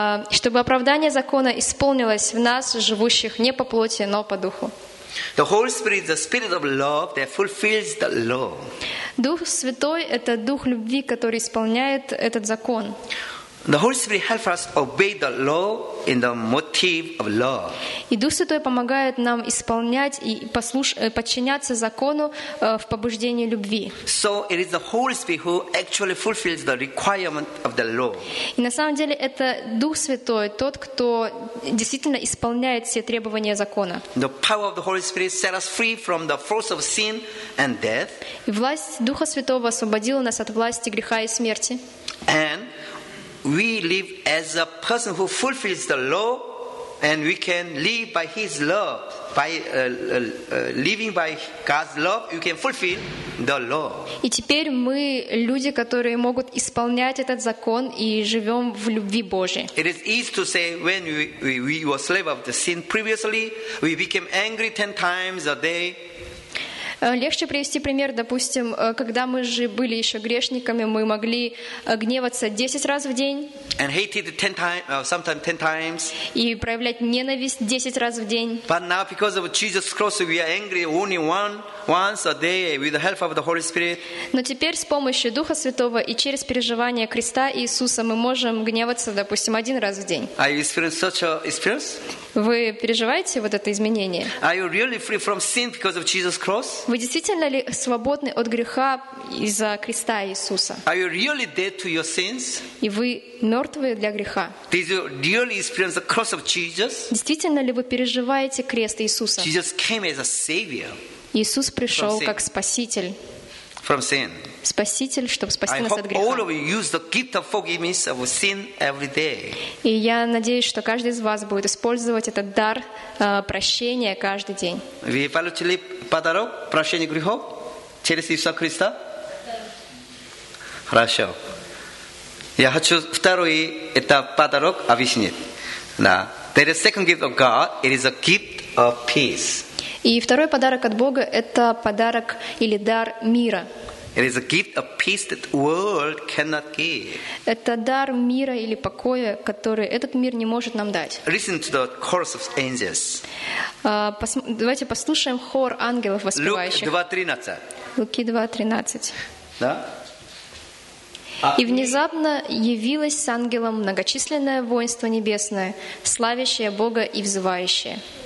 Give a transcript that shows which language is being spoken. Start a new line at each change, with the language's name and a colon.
Russian: Чтобы оправдание закона исполнилось в нас, живущих не по плоти, но по духу.
English: The Holy Spirit is the Spirit of love that fulfills the law.
Russian: Дух Святой — это Дух любви, который исполняет этот закон.
English: The Holy Spirit helps us obey the law in the motive of love.
Russian: И Дух Святой помогает нам исполнять и подчиняться закону в побуждении любви.
English: So it is the Holy Spirit who actually fulfills the requirement of the law.
Russian: И на самом деле это Дух Святой, тот, кто действительно исполняет все требования закона.
English: The power of the Holy Spirit set us free from the force of sin and death.
Russian: И власть Духа Святого освободила нас от власти греха и смерти.
English: And we live as a person who fulfills the law, and we can live by His love. By living by God's love, you can fulfill the law.
Russian: И теперь мы люди, которые могут исполнять этот закон и живем в любви Божьей.
English: It is easy to say when we were slaves of the sin previously, we became angry 10 times a day.
Russian: Легче привести пример, допустим, когда мы же были еще грешниками, мы могли гневаться 10 раз в день.
English: And hated 10 times, sometimes 10 times.
Russian: И проявлять ненависть 10 раз в день.
English: But now, because of Jesus' cross, we are angry only once a day with the help of the Holy Spirit.
Russian: Но теперь с помощью Духа Святого и через переживание креста Иисуса мы можем гневаться, допустим, 1 раz в день.
English: Are you experiencing such a experience?
Russian: Вы переживаете вот это изменение?
English: Are you really free from sin because of Jesus' cross?
Russian: Вы действительно ли свободны от греха из-за креста Иисуса?
English: Are you really dead to your sins?
Russian: И вы мертвы для греха?
English: Did you really experience the cross of Jesus?
Russian: Действительно ли вы переживаете крест Иисуса?
English: Jesus came as a savior.
Russian: Иисус пришел как спаситель.
English: From sin.
Russian: Спаситель, чтобы спасти нас от греха.
English: All of you use the gift of forgiveness of sin every day.
Russian: И я надеюсь, что каждый из вас будет использовать этот дар прощения каждый день. Вы получили подарок прощения грехов через Иисуса Христа? Хорошо. Я хочу второй этап подарок объяснить.
English: Да. There is second gift of God. It is a gift of peace.
Russian: И второй подарок от Бога — это подарок или дар мира.
English: It is a gift of peace that world cannot give.
Russian: Это дар мира или покоя, который этот мир не может нам дать.
English: Listen to the chorus of angels.
Russian: Давайте послушаем хор ангелов воспевающих. Луки 2:13. Да? И внезапно явилось с ангелом многочисленное воинство небесное, славящее Бога и взывающее.